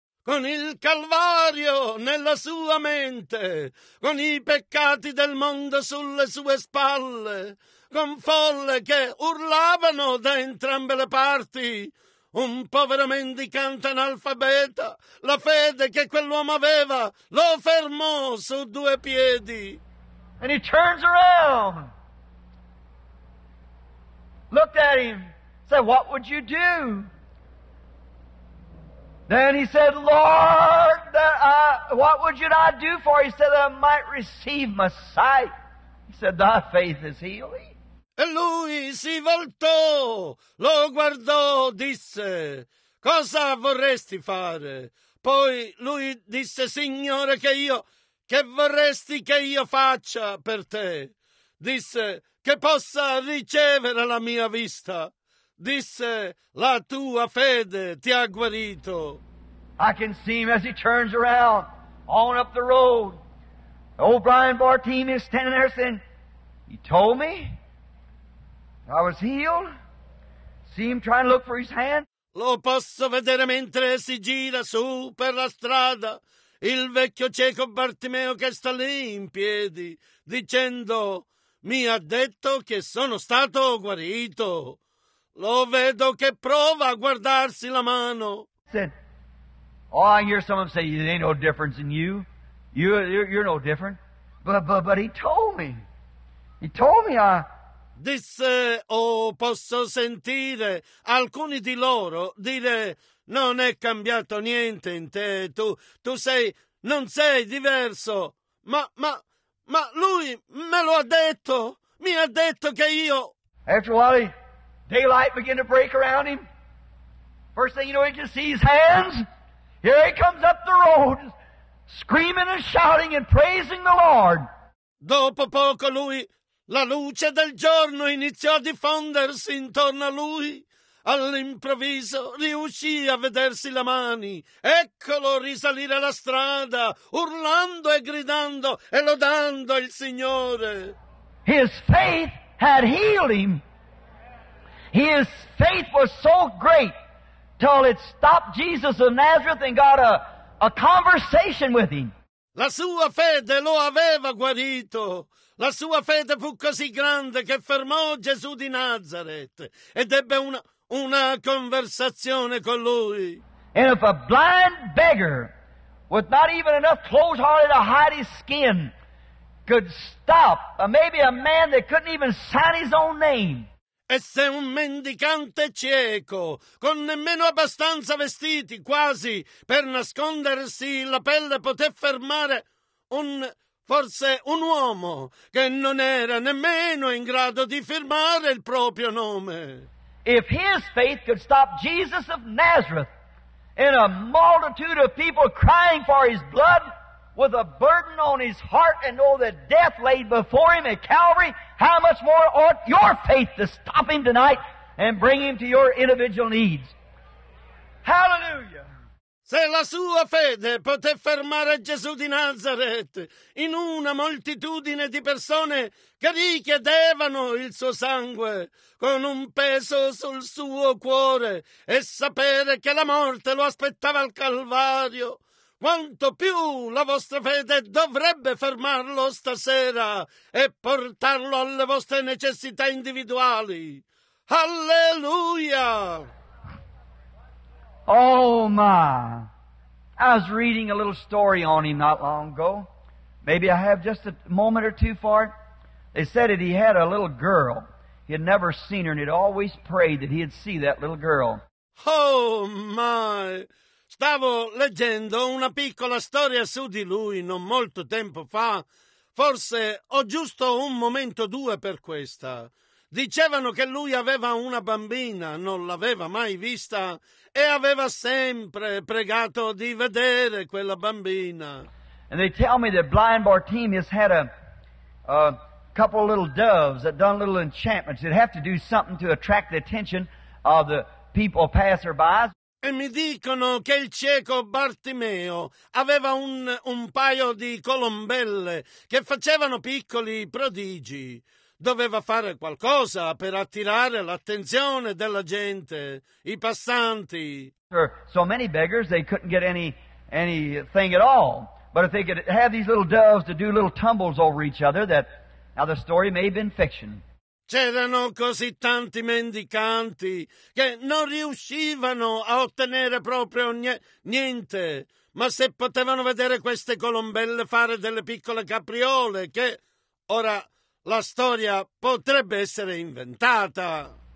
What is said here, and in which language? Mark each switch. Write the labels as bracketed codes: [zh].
[it] Con il Calvario nella sua mente, con i peccati del mondo sulle sue spalle, con folle che urlavano da entrambe le parti, un povero mendicante analfabeta. La fede che quell'uomo aveva lo fermò su due piedi. [en] And he turns around, looked at him, said, what would you do? Then he said, Lord, what would you not do for? He said, that I might receive my sight. He said, thy faith is healing. [it] E lui si voltò, lo guardò, disse, cosa vorresti fare? Poi lui disse, Signore, che vorresti che io faccia per te? Disse, che possa ricevere la mia vista. Disse, la tua fede ti ha guarito. [en] I can see him as he turns around, on up the road. Old Brian Bartini is standing there saying, he told me I was healed. See him trying to look for his hand. [it] Lo posso vedere mentre si gira su per la strada. Il vecchio cieco Bartimeo che sta lì in piedi, dicendo, mi ha detto che sono stato guarito. Lo vedo che prova a guardarsi la mano. [en] Said, oh, I hear some of them say, there ain't no difference in you. You're no different. But he told me. He told me I... [it] Disse, oh, posso sentire alcuni di loro dire, non è cambiato niente in te, tu non sei diverso, ma lui me lo ha detto, mi ha detto che io... [en] After a while, daylight began to break around him. First thing you know, he can see his hands. Here he comes up the road, screaming and shouting and praising the Lord. [it] Dopo poco lui... La luce del giorno iniziò a diffondersi intorno a lui. All'improvviso riuscì a vedersi le mani. Eccolo risalire la strada, urlando e gridando e lodando il Signore. [en] His faith had healed him. His faith was so great till it stopped Jesus of Nazareth and got a conversation with him. [it] La sua fede lo aveva guarito. La sua fede fu così grande che fermò Gesù di Nazareth ed ebbe una conversazione con lui. [en] And if a blind beggar with not even enough clothes hardly to hide his skin could stop, or maybe a man that couldn't even sign his own name. [it] E se un mendicante cieco, con nemmeno abbastanza vestiti, quasi per nascondersi la pelle, poté fermare un uomo che non era nemmeno in grado di firmare il proprio nome. [en] If his faith could stop Jesus of Nazareth and a multitude of people crying for his blood with a burden on his heart and all the death laid before him at Calvary, how much more ought your faith to stop him tonight and bring him to your individual needs? Hallelujah! [it] Se la sua fede poté fermare Gesù di Nazareth in una moltitudine di persone che richiedevano il suo sangue con un peso sul suo cuore e sapere che la morte lo aspettava al Calvario, quanto più la vostra fede dovrebbe fermarlo stasera e portarlo alle vostre necessità individuali. Alleluia! [en] Oh my! I was reading a little story on him not long ago. Maybe I have just a moment or two for it. They said that he had a little girl. He had never seen her, and he'd always prayed that he'd see that little girl. Oh, my! [it] Stavo leggendo una piccola storia su di lui non molto tempo fa. Forse ho giusto un momento o due per questa. Dicevano che lui aveva una bambina, non l'aveva mai vista, e aveva sempre pregato di vedere quella bambina. [en] And they tell me that blind Bartimaeus had a couple of little doves that done little enchantments. They'd have to do something to attract the attention of the people passerby. [it] E mi dicono che il cieco Bartimeo aveva un paio di colombelle che facevano piccoli prodigi. Doveva fare qualcosa per attirare l'attenzione della gente, i passanti. [en] There were so many beggars, they couldn't get anything at all. But if they could have these little doves to do little tumbles over each other, that now the story may have been fiction. [it] C'erano così tanti mendicanti che non riuscivano a ottenere proprio niente. Ma se potevano vedere queste colombelle fare delle piccole capriole, che ora la storia potrebbe essere inventata.